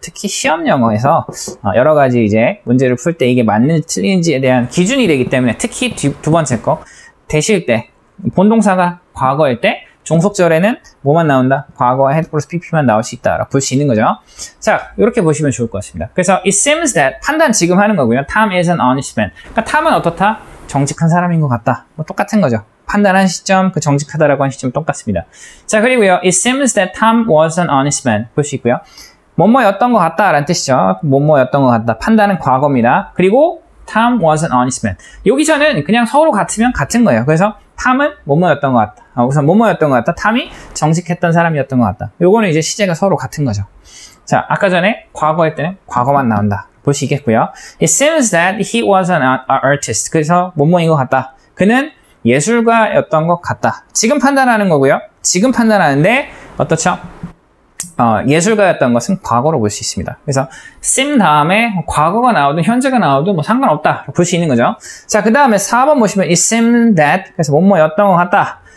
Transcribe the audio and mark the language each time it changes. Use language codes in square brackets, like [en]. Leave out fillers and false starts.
[ko] 특히 시험 영어에서 여러 가지 이제 문제를 풀 때 이게 맞는지 틀린지에 대한 기준이 되기 때문에, 특히 두 번째 거 되실 때 본동사가 과거일 때 종속절에는 뭐만 나온다? 과거와 head plus pp만 나올 수 있다라고 볼 수 있는 거죠. 자, 이렇게 보시면 좋을 것 같습니다. 그래서 [en] it seems that [ko] 판단 지금 하는 거고요. [en] Tom is an honest man. [ko] 그러니까 Tom은 어떻다? 정직한 사람인 것 같다. 뭐 똑같은 거죠. 판단한 시점, 그 정직하다라고 한 시점 똑같습니다. 자, 그리고요. [en] it seems that Tom was an honest man. [ko] 볼 수 있고요. 뭐뭐였던 것 같다 라는 뜻이죠. 뭐뭐였던 것 같다. 판단은 과거입니다. 그리고 [en] Tom was an honest man. [ko] 여기서는 그냥 서로 같으면 같은 거예요. 그래서 Tom은 뭐뭐였던 것 같다. 우선 뭐뭐였던 것 같다. Tom이 정직했던 사람이었던 것 같다. 요거는 이제 시제가 서로 같은 거죠. 자, 아까 전에 과거일 때는 과거만 나온다. 볼 수 있겠고요. [en] It seems that he was an artist. [ko] 그래서 뭐뭐인 것 같다. 그는 예술가였던 것 같다. 지금 판단하는 거고요. 지금 판단하는데 어떻죠? 예술가였던 것은 과거로 볼 수 있습니다. 그래서 seem 다음에 과거가 나오든 현재가 나오든 뭐 상관없다 볼 수 있는 거죠. 자, 그 다음에 4번 보시면 [en] it seemed that, [ko] 그래서 뭐뭐였던 것 같다.